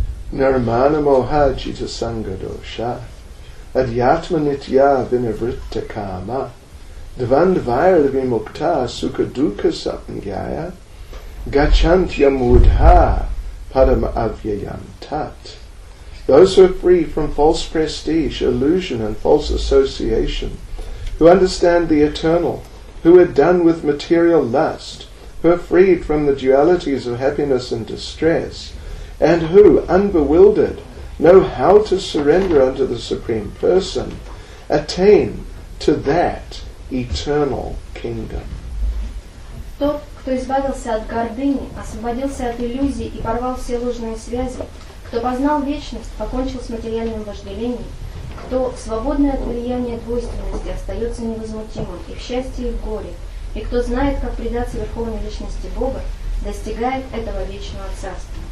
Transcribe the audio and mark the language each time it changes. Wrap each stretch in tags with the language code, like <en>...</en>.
<sa>Нирмана моха чита санга доша адьятма нитья винивритта кама дванвайр вимукта сука дука сапнгая гачантья мудха падам авьяям тат.</sa> <en>Those who are free from false prestige, illusion, and false association, who understand the eternal, who are done with material lust, who are freed from the dualities of happiness and distress, and who, unbewildered, know how to surrender unto the Supreme Person, attain to that eternal kingdom.</en> <ru>Тот, кто избавился от гордыни, освободился от иллюзий и порвал все ложные связи, кто познал вечность, покончил с материальным вожделением, кто свободный от влияния двойственности, остается невозмутимым и в счастье, и в горе, и кто знает, как предаться Верховной Личности Бога, достигает этого вечного царства.</ru>